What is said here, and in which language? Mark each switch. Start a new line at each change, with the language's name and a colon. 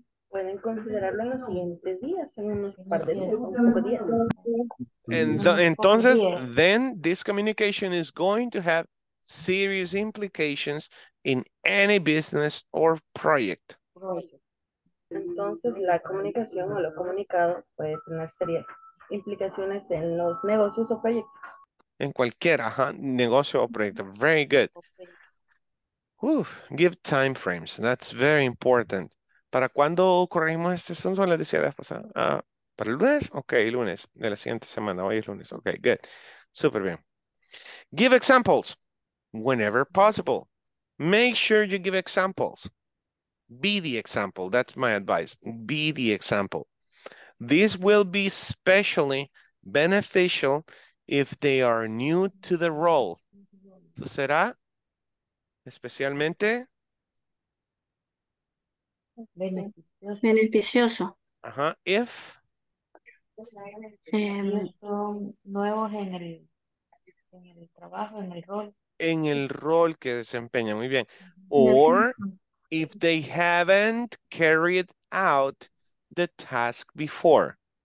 Spanish: Pueden considerarlo en los siguientes días, en unos par de días, un poco días.
English: Entonces, then this communication is going to have serious implications in any business or project.
Spanish: Entonces, la comunicación o lo comunicado puede tener serias implicaciones en los negocios o proyectos. En cualquiera, ajá, negocio o proyecto.
English: Very good.
Spanish: Uf,
English: give time frames. That's very important.
Spanish: ¿Para cuándo corregimos este asunto? Les decía la vez pasada. ¿Para el lunes? Ok, lunes. De la siguiente semana. Hoy es lunes.
English: Ok, good.
Spanish: Súper bien.
English: Give examples. Whenever possible. Make sure you give examples. Be the example. That's my advice. Be the example. This will be especially beneficial if they are new to the role.
Spanish: ¿Tú será especialmente beneficioso?
English: Ajá, if
Spanish: son nuevos en el trabajo, en el rol. En el rol que desempeña, muy bien.
English: Or if they haven't carried out the task before.